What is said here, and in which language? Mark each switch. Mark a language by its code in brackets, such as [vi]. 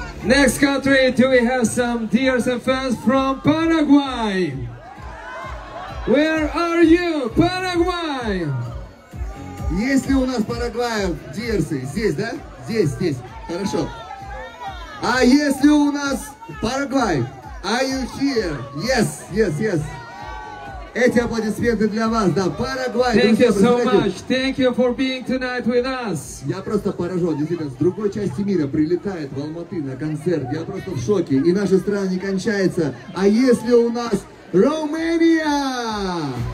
[en] Next country, do we have some dears and fans from Paraguay? Where are you, Paraguay? [ru] Есть ли у нас Парагвай, дирсы? Здесь, да? Здесь, здесь. Хорошо. А есть ли у нас Парагвай? [en] Are you here? Yes, yes, yes. [ru] Эти аплодисменты для вас, да, Парагвай. [en] Thank you so much. Thank you for being tonight with us. [ru] Я просто поражен, действительно, с другой части мира прилетает в Алматы на концерт. Я просто в шоке. И наша страна не кончается. А есть ли у нас Romania?